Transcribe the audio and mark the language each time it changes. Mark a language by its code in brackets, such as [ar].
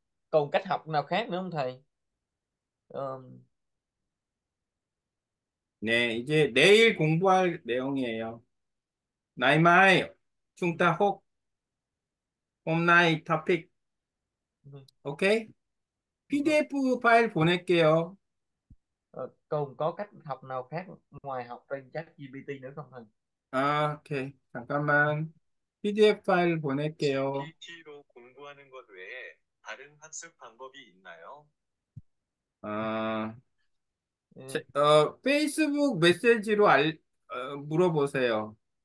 [vi] Còn cách học nào khác nữa không thầy? [ko] 네, 이제 내일 공부할 내용이에요. 나이 마이, 중타 혹, 홈나이 토픽. 오케이? PDF 파일 보낼게요. [vi] Còn có cách học nào khác ngoài học trên ChatGPT nữa không thầy? [ko] 아, 오케이. 잠깐만. PDF 파일 보낼게요. GPT로 공부하는 것 외에 다른 학습 방법이 있나요? 네. 페이스북 메시지로 물어보세요.